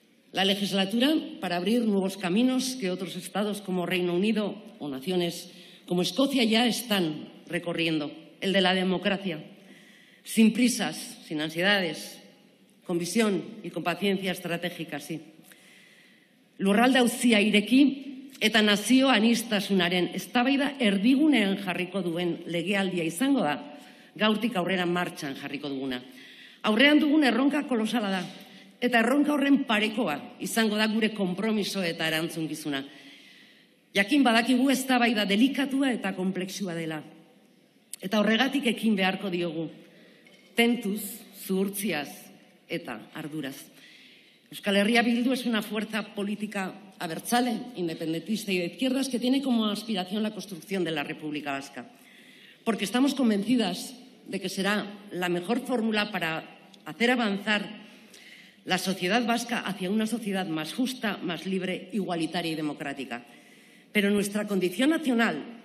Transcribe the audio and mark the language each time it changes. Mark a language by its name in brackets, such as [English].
[Spanish] La legislatura para abrir nuevos caminos que otros Estados como Reino Unido o naciones como Escocia ya están recorriendo, el de la democracia. Sin prisas, sin ansiedades, con visión y con paciencia estratégica, sí. [Basque] Lurralde auzia ireki eta nazio anistasunaren eztabaida erdigunean jarriko duen legealdia izango da, gaurtik aurrera martxan jarriko duguna. Aurrean dugun erronka kolosala da, eta erronka horren parekoa izango da gure konpromiso eta erantzunkizuna. Jakin badakigu eztabaida delikatua eta konplexua dela, eta horregatik ekin beharko diogu. Tentuz, zuhurtziaz eta arduraz. [Spanish] Euskal Herria Bildu es una fuerza política abertzale, independentista y de izquierdas que tiene como aspiración la construcción de la República Vasca. Porque estamos convencidas de que será la mejor fórmula para hacer avanzar la sociedad vasca hacia una sociedad más justa, más libre, igualitaria y democrática. Pero nuestra condición nacional